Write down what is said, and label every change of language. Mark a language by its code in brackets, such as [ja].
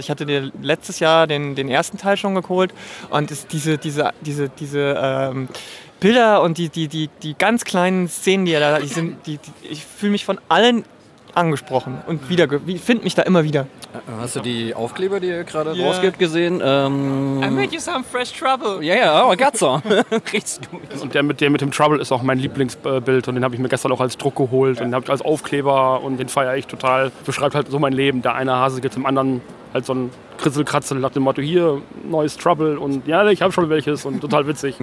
[de] Ich hatte dir letztes Jahr den ersten Teil schon geholt und ist diese Bilder und die ganz kleinen Szenen, die er da, ich fühle mich von allen angesprochen und wieder, finde mich da immer wieder. Hast du die Aufkleber, die ihr gerade rausgibt, gesehen? [en] I made you some fresh trouble. Yeah, I got some. [de] Und der mit dem Trouble ist auch mein Lieblingsbild und den habe ich mir gestern auch als Druck geholt und den habe ich als Aufkleber und den feiere ich total. Beschreibt halt so mein Leben. Der eine Hase geht zum anderen halt so ein Kritzelkratzel nach dem Motto, hier, neues Trouble und ja, ich habe schon welches und total witzig.